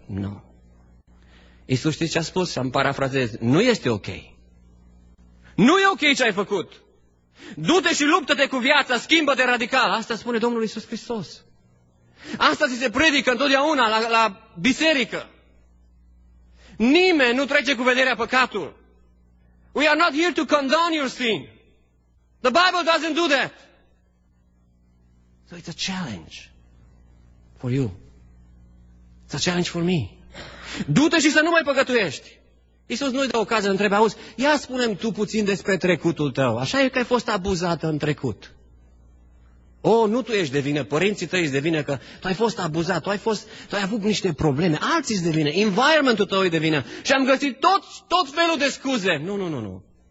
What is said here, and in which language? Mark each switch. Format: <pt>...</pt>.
<ro>Nu. Iisus, știți ce a spus? Să-mi parafrazez, nu este ok. Nu e ok ce ai făcut. Du-te și luptă-te cu viața, schimbă-te radical. Asta spune Domnul Iisus Hristos. Asta ți se predică întotdeauna la biserică. Nimeni nu trece cu vederea păcatul.</ro> <en>We are not here to condone your sin. The Bible doesn't do that. So it's a challenge for you. It's a challenge for me.</en> <ro>Du-te și să nu mai păcătuiești. Iisus nu-i dă ocazia, întrebe, auzi, ia spune-mi tu puțin despre trecutul tău. Așa e că ai fost abuzată în trecut. O, nu tu ești de vină, părinții tăi îți devină că tu ai fost abuzat, tu ai avut niște probleme, alții îți devină, environmentul tău îi devină și am găsit tot felul de scuze. Nu.</ro>